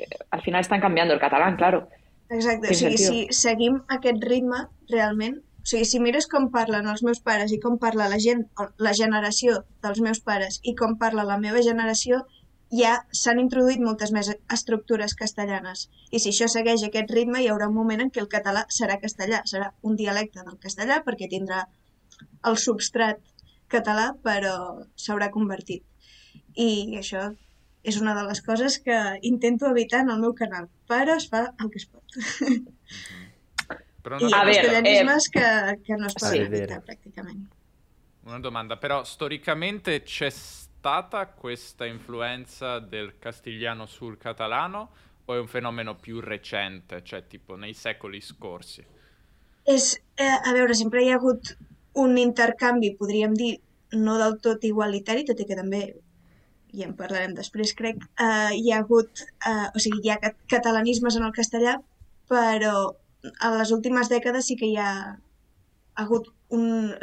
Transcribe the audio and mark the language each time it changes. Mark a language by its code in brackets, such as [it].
[es] Al final están cambiando el catalán, claro. [ca] Exacte, o sigui, si seguim aquest ritme, realment, o sigui, si mires com parlen els meus pares i com parla la gent, la generació dels meus pares i com parla la meva generació, ja s'han introduït moltes més estructures castellanes. I si això segueix aquest ritme, hi haurà un moment en què el català serà castellà, serà un dialecte del castellà perquè tindrà el substrat català, però s'haurà convertit. I això és una de les coses que intento evitar en el meu canal, però es fa el que es pot. Però no i hi ha castellanismes que no es poden evitar, pràcticament. [it] Una domanda, però storicamente c'è stata questa influenza del castigliano sul catalano o è un fenomeno più recente, cioè tipo nei secoli scorsi? [ca] A veure, sempre hi ha hagut un intercanvi, podríem dir, no del tot igualitari, tot i que també, i en parlarem després, crec, hi ha hagut, o sigui, hi ha catalanismes en el castellà, però en les últimes dècades sí que hi ha hagut un...